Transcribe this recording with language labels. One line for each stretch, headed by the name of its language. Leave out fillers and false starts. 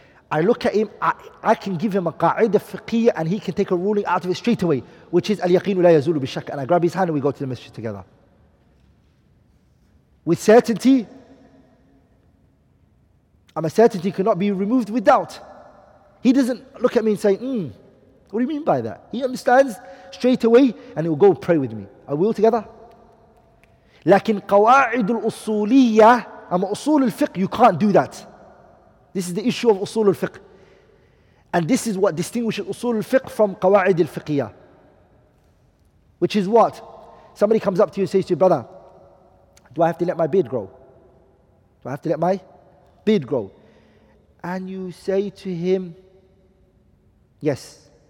English: I look at him, I can give him a qa'idah fiqhiyyah and he can take a ruling out of it straight away, which is
Arabic: al-yaqeenu la yazulu bishak,
English: and I grab his hand and we go to the masjid together. With certainty, and my certainty cannot be removed with doubt. He doesn't look at me and say, what do you mean by that? He understands straight away and he will go pray with me. Are we all together?
Arabic: لكن قواعد الأصولية أما أصول الفقه,
English: you can't do that. This is the issue of usul al-fiqh. And this is what distinguishes usul al-fiqh from qawa'id al-fiqhiyyah. Which is what? Somebody comes up to you and says to you, brother, do I have to let my beard grow? Do I have to let my beard grow? And you say to him, yes.